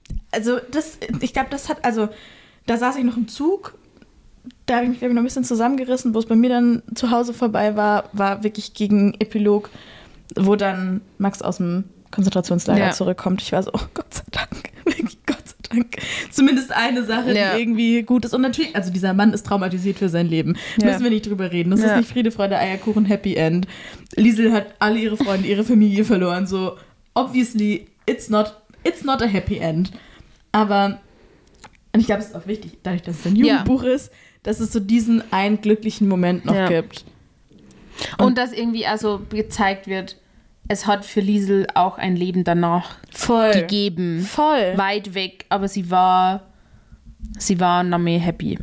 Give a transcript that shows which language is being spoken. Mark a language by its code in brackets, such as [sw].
[de] Also das, ich glaube, das hat, also da saß ich noch im Zug, da habe ich mich, glaube ich, noch ein bisschen zusammengerissen, wo es bei mir dann zu Hause vorbei war, war wirklich gegen Epilog, wo dann Max aus dem Konzentrationslager zurückkommt. Ich war so, oh Gott sei Dank, wirklich Gott. Zumindest eine Sache, die irgendwie gut ist. Und natürlich, also dieser Mann ist traumatisiert für sein Leben. Müssen wir nicht drüber reden. Das ist nicht Friede, Freude, Eierkuchen, Happy End. Liesel hat alle ihre Freunde, ihre Familie verloren. So, [en] obviously, it's not a happy end. [de] Aber, und ich glaube, es ist auch wichtig, dadurch, dass es ein Jugendbuch ist, dass es so diesen einen glücklichen Moment noch gibt. Und dass irgendwie also gezeigt wird, es hat für Liesel auch ein Leben danach gegeben. Voll. Weit weg, aber sie war noch mehr happy.